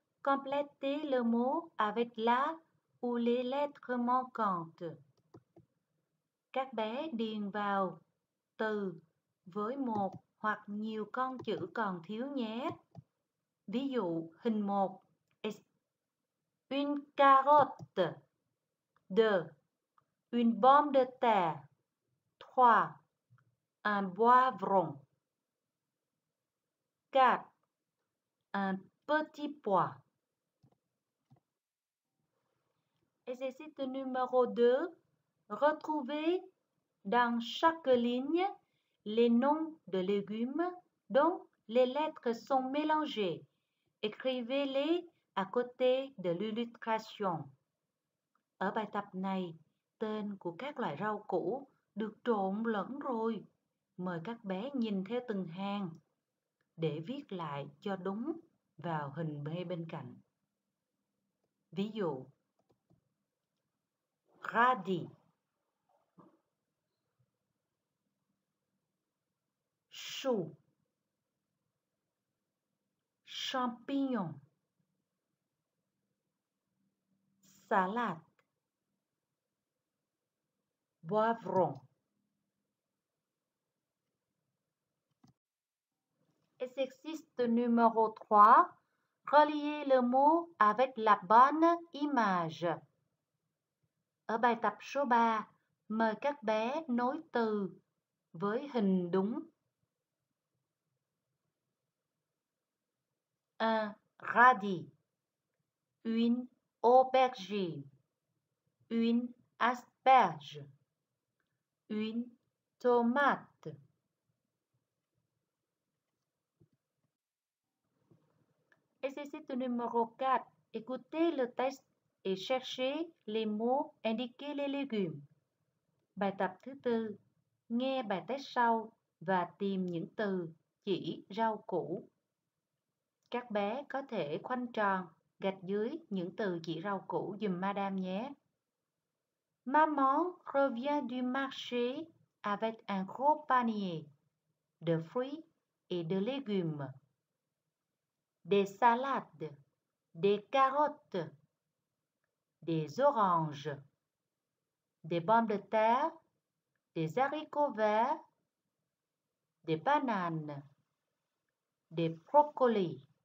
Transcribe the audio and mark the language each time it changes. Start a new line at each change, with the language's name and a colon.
French: Complétez le mot avec la ou les lettres manquantes.
Vietnamese: Các bé điền vào từ với một hoặc nhiều con chữ còn thiếu nhé. Ví dụ hình 1.
French: Une carotte.
Vietnamese: 2.
French: Une pomme de terre. 3. Un poivron. 4. Un petit pois. Exercice numéro 2. Retrouvez dans chaque ligne les noms de légumes dont les lettres sont mélangées. Écrivez-les à côté de l'illustration.
Vietnamese: Ở bài tập này, tên của các loại rau củ được trộn lẫn rồi. Mời các bé nhìn theo từng hàng để viết lại cho đúng vào hình B bên cạnh. Ví dụ:
French: radis, chou, champignon, salade, poivron. Exercice numéro 3. Relier le mot avec la bonne image.
Vietnamese: Ở bài tập số 3, mời các bé nối từ với hình đúng.
French: Un radis. Une aubergine. Une asperge. Une tomate. Exercice numéro 4. Écoutez le test et cherchez les mots indiqués les légumes.
Vietnamese: Bài tập thứ tư. Nghe bài test sau và tìm những từ chỉ rau củ. Các bé có thể khoanh tròn gạch dưới những từ chỉ rau củ giùm Madame nhé.
French: Maman revient du marché avec un gros panier de fruits et de légumes. Des salades, des carottes, des oranges, des pommes de terre, des haricots verts, des bananes, des brocolis.